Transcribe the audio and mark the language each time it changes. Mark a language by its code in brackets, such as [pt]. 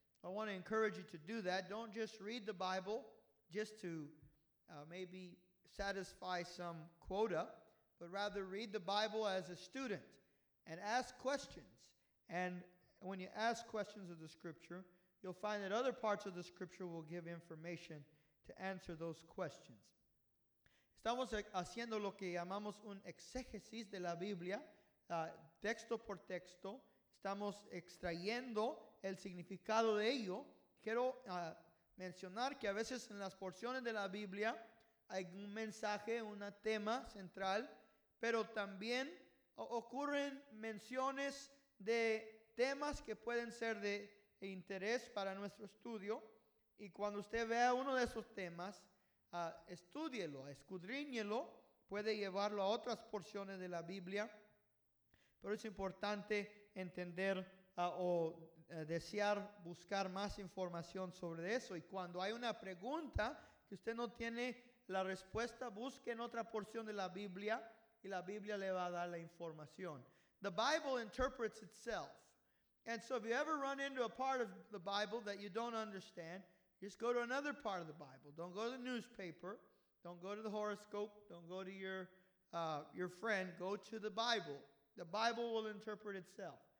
[en] I want to encourage you to do that. Don't just read the Bible just to maybe satisfy some quota, but rather read the Bible as a student and ask questions. And when you ask questions of the Scripture, you'll find that other parts of the Scripture will give information to answer those questions. [es] Estamos haciendo lo que llamamos un exégesis de la Biblia, texto por texto. Estamos extrayendo el significado de ello. Quiero mencionar que a veces en las porciones de la Biblia hay un mensaje, un tema central, pero también ocurren menciones de temas que pueden ser de interés para nuestro estudio. Y cuando usted vea uno de esos temas, estúdielo, escudriñelo, puede llevarlo a otras porciones de la Biblia. Pero es importante entender desear buscar más información sobre eso. Y cuando hay una pregunta que usted no tiene la respuesta, busque en otra porción de la Biblia y la Biblia le va a dar la información. [en] The Bible interprets itself. And so if you ever run into a part of the Bible that you don't understand, just go to another part of the Bible. Don't go to the newspaper. Don't go to the horoscope. Don't go to your friend. Go to the Bible. The Bible will interpret itself.